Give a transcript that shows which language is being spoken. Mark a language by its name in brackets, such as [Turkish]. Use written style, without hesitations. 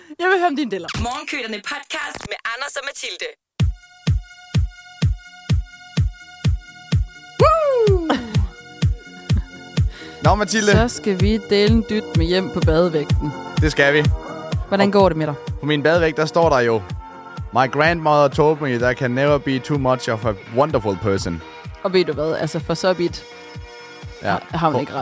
[Danish] Jeg vil høre om dine deller. Morgenkøderne podcast med Anders og Mathilde. Woo! Nå, Mathilde. Så skal vi dele en dyt med hjem på badevægten. Det skal vi. Hvordan går det med dig? På min badevægt, der står der jo... [English] My grandmother told me that I can never be too much of a wonderful person. [Danish] Og ved du hvad? Altså, for så vidt har hun ikke ret.